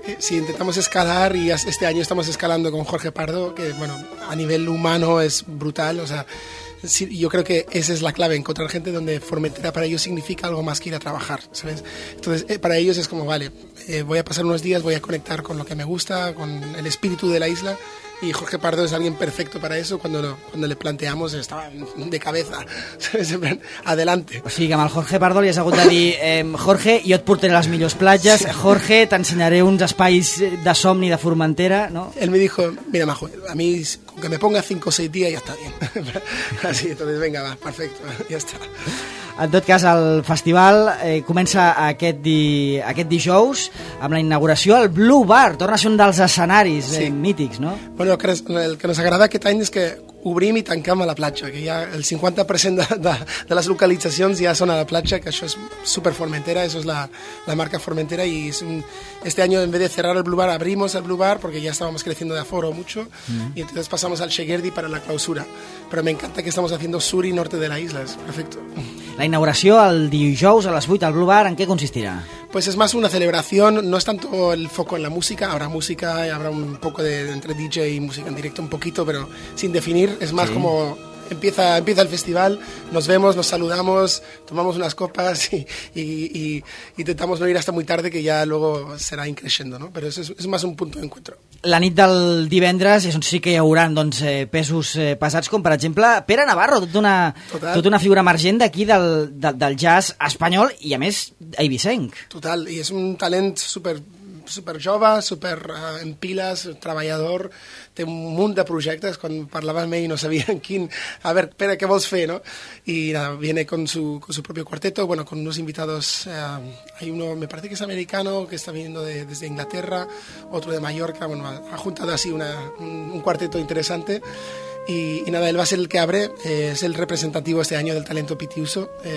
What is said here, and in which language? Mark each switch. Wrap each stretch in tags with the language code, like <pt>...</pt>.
<es>Si intentamos escalar, y este año estamos escalando con Jorge Pardo, que bueno, a nivel humano es brutal, o sea, sí, yo creo que esa es la clave, encontrar gente donde Formentera para ellos significa algo más que ir a trabajar, ¿sabes? Entonces, para ellos es como, vale, voy a pasar unos días, voy a conectar con lo que me gusta, con el espíritu de la isla, y Jorge Pardo es alguien perfecto para eso. Cuando le planteamos, estaba de cabeza, ¿sabes? Adelante.</es> <ca>O sigui, que amb el Jorge Pardo li has hagut de dir, Jorge, jo et portaré les millors platges, sí. Jorge, t'ensenyaré uns espais de somni de Formentera, ¿no?</ca> <es>Él me dijo, mira, Majo, a mí que me ponga 5 o 6 días ya está bien. Así, entonces venga, va, perfecto, ya está.</es> <ca>En tot cas, el festival comença aquest dijous amb la inauguració al Blue Bar. Torna a ser un dels escenaris mítics, no? Bueno, el que nos agrada aquest any és que obrim i tanquem a la platja, que ja el 50% de les localitzacions ja són a la platja, que això és super Formentera, això és la marca Formentera, i este any,</ca> <es>en vez de cerrar el Blue Bar,</es> <ca>abrimos el Blue Bar, perquè ja estàvem</ca> <es>creciendo de aforo mucho, y entonces pasamos al Sheguerdi para la clausura. Pero me encanta que estamos haciendo sur y norte de la isla, es perfecto.</es> <ca>La inauguració el dijous a les 8 al Blue Bar, en què consistirà?</ca> <es>Pues es más una celebración, no es tanto el foco en la música, habrá música, habrá un poco de entre DJ y música en directo, un poquito, pero sin definir, es más como empieza el festival, nos vemos, nos saludamos, tomamos unas copas y intentamos no ir hasta muy tarde, que ya luego será increciendo, ¿no? Pero es más un punto de encuentro.</es> <ca>La nit del divendres és on sí que hi haurà doncs, pesos pesats, com per exemple Pere Navarro, tota una figura emergent d'aquí del jazz espanyol i a més eivissenc. Total, i és un talent super jove, super en piles, treballador, té un munt de projectes. Quan parlava amb ell no sabia quin, a veure, Pere, què vols fer, no?</ca> <es>I nada, viene con su propio cuarteto, bueno, con unos invitados, hay uno, me parece que es americano, que está viniendo desde Inglaterra, otro de Mallorca, bueno, ha juntado así un cuarteto interesante. Y nada, él va a ser el que abre, es el representativo este año del talento pitiuso.</es>